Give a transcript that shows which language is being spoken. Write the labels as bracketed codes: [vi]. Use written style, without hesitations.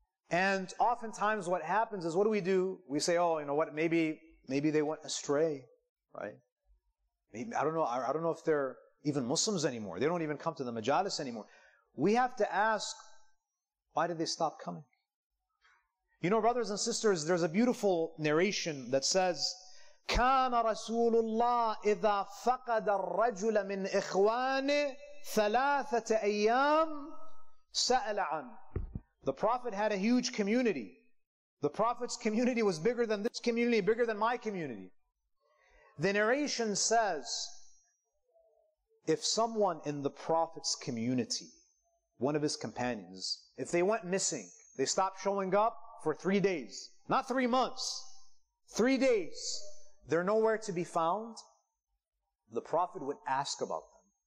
[en] And oftentimes what happens is, what do? We say, oh, you know what, maybe they went astray, right? Maybe, I don't know if they're even Muslims anymore. They don't even come to the majalis anymore. We have to ask, why did they stop coming? You know, brothers and sisters, there's a beautiful narration that says, [ar] كَانَ رَسُولُ اللَّهِ إِذَا فَقَدَ الرَّجُلَ مِنْ إِخْوَانِ ثَلَاثَةَ أَيَّامٍ سَأَلَ عَنْ. [en] The Prophet had a huge community. The Prophet's community was bigger than this community, bigger than my community. The narration says, if someone in the Prophet's community, one of his companions, if they went missing, they stopped showing up for 3 days, not 3 months, 3 days, they're nowhere to be found, the Prophet would ask about them.